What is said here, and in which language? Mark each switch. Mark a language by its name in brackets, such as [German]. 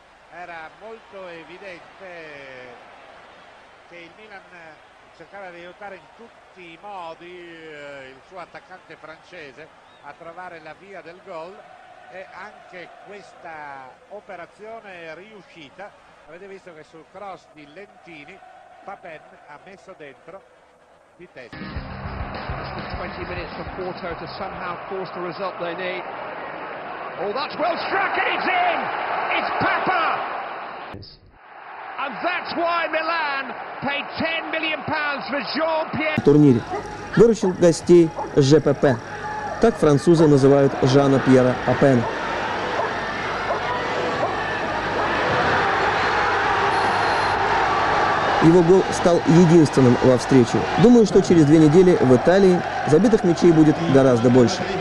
[Italian] Era molto evidente che il Milan cercava di aiutare in tutti i modi il suo attaccante francese a trovare la via del gol e anche questa operazione è riuscita. Avete visto che sul cross di Lentini Papin ha messo dentro di testa. [English] 20 minutes for Porto to somehow force the result they need. Oh, that's well struck and it's in! It's Papa! And that's why Milan paid 10 million pounds for Jean-Pierre. [Russian] В турнире выручил гостей ЖПП. Так французы называют Жана Пьера Папена. Его гол стал единственным во встрече. Думаю, что через две недели в Италии забитых мячей будет гораздо больше.